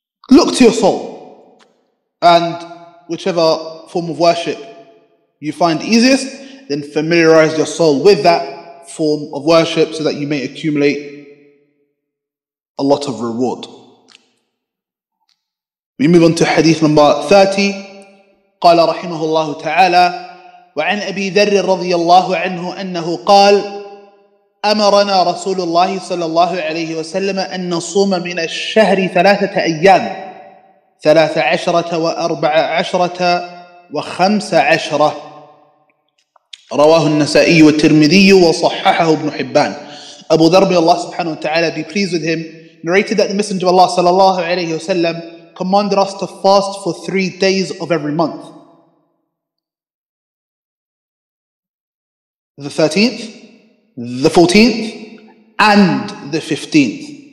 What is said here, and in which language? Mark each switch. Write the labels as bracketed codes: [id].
[en] Look to your soul. And whichever form of worship you find easiest, then familiarize your soul with that form of worship so that you may accumulate a lot of reward. We move on to hadith number 30. [ar] قال رحمه الله تعالى وعن أبي ذر رضي الله عنه أنه قال أمرنا رسول الله صلى الله عليه وسلم أن نصوم من الشهر 3 أيام 13 و14 و15. رواه النسائي والترمذي وصححه ابن حبان. [en] أبو ذر رضي الله سبحانه وتعالى, be pleased with him, narrated that the Messenger of Allah صلى الله عليه وسلم commanded us to fast for 3 days of every month. The 13th, the 14th, and the 15th.